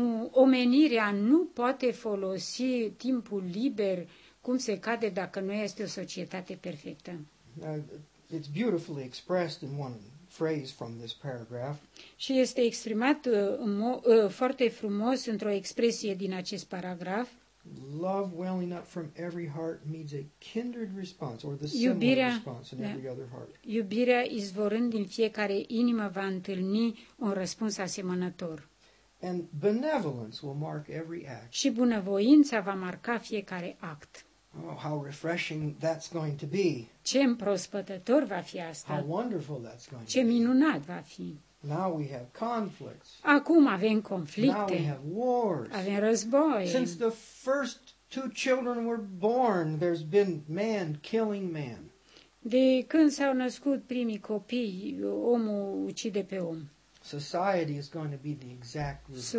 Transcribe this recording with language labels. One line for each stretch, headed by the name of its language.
Romanian: Omenirea nu poate folosi timpul liber cum se cade dacă nu este o societate perfectă.
English: It's beautifully expressed in one phrase from this paragraph.
Romanian: Și este exprimat foarte frumos într-o expresie din acest paragraf.
English: Love welling up from every heart means a kindred response or the similar
Romanian: iubirea,
English: response in every other heart.
Romanian: Iubirea izvorând din fiecare inimă va întâlni un răspuns asemănător.
English: And benevolence will mark every act.
Romanian: Și bunăvoința va marca fiecare act.
English: Oh, how refreshing that's going to be.
Romanian: Ce împrospătător va fi asta.
English: How wonderful that's going
Romanian: Ce Ce minunat va fi.
English: Now we have conflicts.
Romanian: Acum avem conflicte.
English: Now we have wars.
Romanian: Avem război.
English: Since the first two children were born, there's been man killing man.
Romanian: De când s-au născut primii copii, omul ucide pe om.
English: Society is going to be the exact reverse.